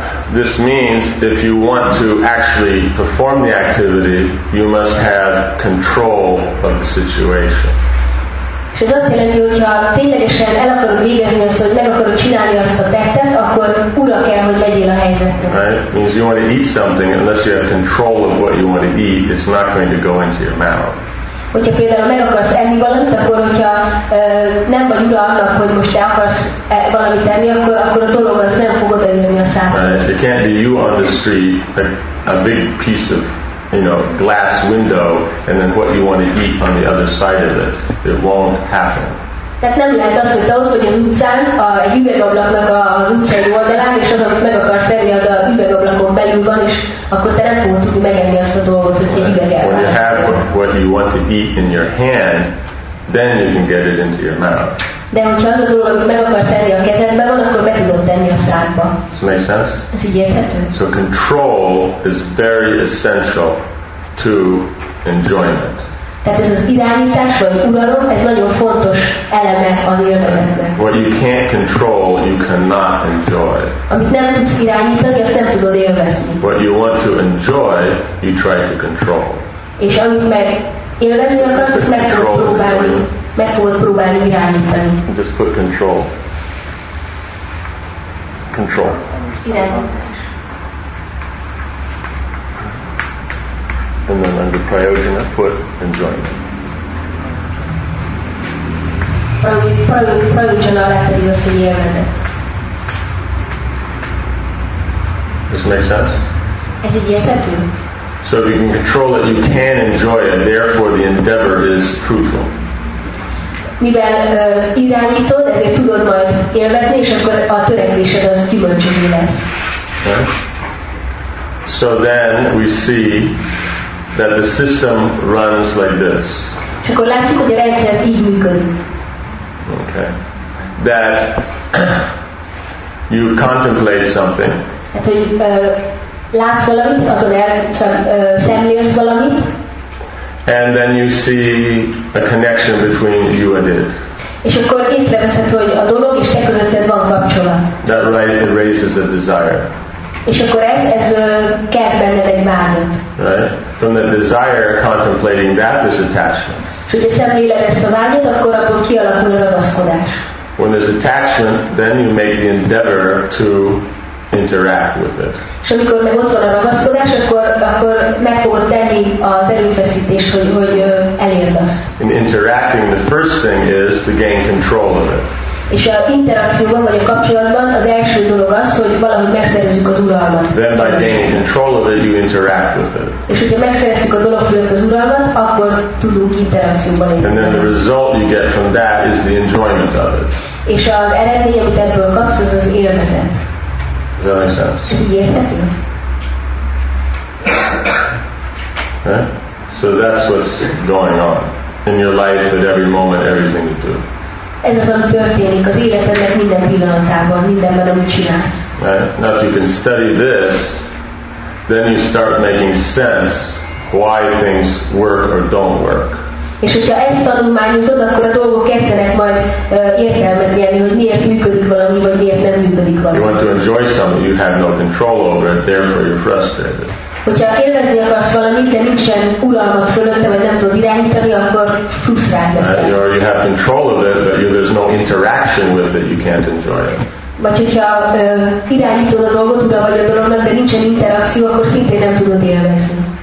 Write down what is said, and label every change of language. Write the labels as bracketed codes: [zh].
[en] This means if you want to actually perform the activity, you must have control of the situation. [hu] És ez azt jelenti, hogy ha ténylegesen el akarod végezni azt, hogy meg akarod csinálni azt a tettet, akkor ura kell, hogy legyél a helyzetben. [en] Right? It means you want to eat something, unless you have control of what you want to eat, it's not going to go into your mouth. [hu] Hogyha például meg akarsz enni valamit, akkor hogyha nem vagy ura annak, hogy most te akarsz valamit enni, akkor a dolog az nem fog odaülni a számot. [en] It can't be you on the street, a big piece of, you know, glass window, and then what you want to eat on the other side of it. It won't happen. [hu] Tehát nem lehet az, hogy te ott vagy az utcán, egy üvegablaknak az utcai oldalán, és az, amit meg akarsz enni, az a üvegablakon belül van, és akkor te nem fogod tudni megenni azt a dolgot, hogy [en] When you have what you want to eat in your hand, then you can get it into your mouth. [hu] De hogyha az a dolog, amit meg akarsz enni a kezedben van, akkor be tudod tenni a szádba. [en] Does it make sense? [hu] Ez így érthető? [en] So control is very essential to enjoyment. [hu] Tehát ez az irányítás, vagy uralom, ez nagyon fontos eleme az élvezetnek. [en] What you can't control, you cannot enjoy. [hu] Amit nem tudsz irányítani, azt nem tudod élvezni. [en] What you want to enjoy, you try to control. [hu] És amit meg élvezni akarsz, azt meg fogod próbálni. Meg fogod próbálni irányítani. [en] Just put control. Control. [hu] Irányítás. [en] And then under prayojana, put enjoyment. [hu] Prayojana lehet, hogy az, hogy élvezet. [en] Does it make sense? [hu] Ez így érthető? [en] So if you can control it, you can enjoy it. Therefore, the endeavor is fruitful. [hu] Mivel irányítod, ezért tudod majd élvezni, és akkor a törekvésed az gyümölcsöző lesz. [en] Okay. So then we see that the system runs like this. [hu] És akkor látjuk, hogy a rendszer így működik. [en] Okay. That you contemplate something. [hu] Hát, hogy látsz valamit, azon szemlélsz valamit. [en] And then you see a connection between you and it. [hu] És akkor észreveszed, hogy a dolog és te közötted van kapcsolat. [en] That right erases a desire. [hu] És akkor ez kelt benned egy vágyat. [en] Right? From the desire contemplating that is attachment. [hu] És hogyha szemléled ezt a vágyat, akkor abból kialakul a ragaszkodás. [en] When there's attachment, then you make the endeavor to interact with it. [hu] És amikor meg ott van a ragaszkodás, akkor meg fogod tenni az erőfeszítés, hogy elérd azt. [en] In interacting, the first thing is to gain control of it. [hu] És a interakcióban vagy a kapcsolatban az első dolog az, hogy valahogy megszerezzük az uralmat. [en] Then by gaining control of it, you interact with it. [hu] És hogyha megszereztük a dolog fölött az uralmat, akkor tudunk interakcióban élni. [en] And then the result you get from that is the enjoyment of it. [hu] És az eredmény, amit ebből kapsz, az élvezet. [en] Does that make sense? Okay? So that's what's going on in your life at every moment, everything you do. [hu] Ez az, ami történik az életednek minden pillanatában, mindenben, amit csinálsz. [en] Right? Now if you can study this, then you start making sense why things work or don't work. [hu] És hogyha ezt tanulmányozod, akkor a dolgok kezdenek majd értelmet nyerni, hogy miért működik valami, vagy miért nem működik valami. [en] You want to enjoy something, you have no control over it, therefore you're frustrated. [hu] Hogyha élvezni akarsz valamit, de nincsen uralmat fölötte, vagy nem tudod irányítani, akkor frusztrált leszel. [en] Or you have control of it, but there's no interaction with it, you can't enjoy it. [hu] Vagy hogyha irányítod a dolgot, ura vagy a dolognak, de nincsen interakció, akkor szintén nem tudod élvezni.